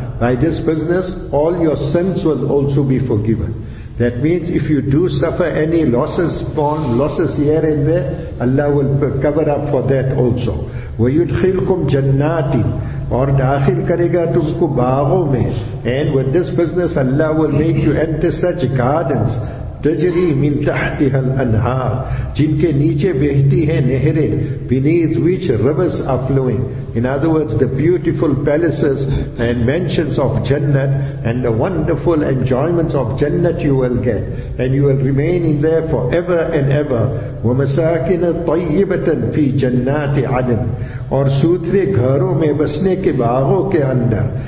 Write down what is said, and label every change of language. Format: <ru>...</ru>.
<en>By this business all your sins will also be forgiven. That means if you do suffer any losses, born losses here and there, Allah will cover up for that also.</en> <ar>ويدخلكم جناتي,</ar> <ur>اور داخل کرے گا تم کو باغوں میں.</ur> <en>And with this business Allah will make you enter such gardens,</en> <ar>تجری من تحتها الانہار,</ar> <ur>جن کے نیچے بہتی ہیں نہریں.</ur> <en>Beneath which rivers are flowing. In other words, the beautiful palaces and mansions of Jannat and the wonderful enjoyments of Jannat you will get. And you will remain in there forever and ever.</en> <ar>وَمَسَاكِنَ طَيِّبَةً فِي جَنَّاتِ عَدْنٍ,</ar> <ur>اور سوترے گھروں میں بسنے کے باغوں کے اندر.</ur>